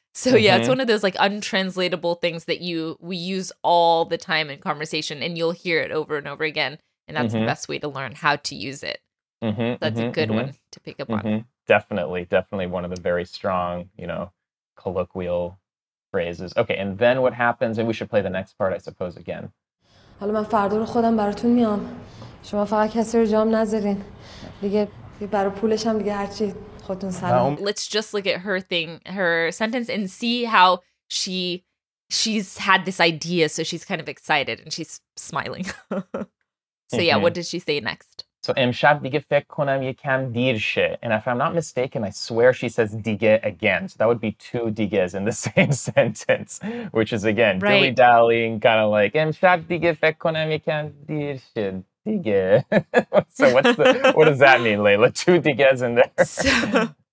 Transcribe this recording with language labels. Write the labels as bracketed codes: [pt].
[en] So yeah, it's one of those like untranslatable things that we use all the time in conversation, and you'll hear it over and over again. And that's the best way to learn how to use it. Mm-hmm. That's a good one to pick up on. Definitely, definitely one of the very strong, you know, colloquial phrases. Okay, and then what happens? And we should play the next part, I suppose, again. [fa] حالا من فردا رو خودم براتون میام. شما فقط کسی رو جام نذارین. دیگه برای پولش هم دیگه هرچی خودتون سلام. [en] Let's just look at her thing, her sentence, and see how she's had this idea, so she's kind of excited and she's smiling. So yeah, what did she say next? [fa] So امشب دیگه فکر کنم یکم دیر شه. [en] And if I'm not mistaken, I swear she says دیگه again. So that would be two دیگه's in the same sentence, which is again, dilly-dallying, kind of like, [fa] امشب دیگه فکر کنم یکم دیر شه. [en] دیگه. So what does that mean, Layla? Two دیگه's in there.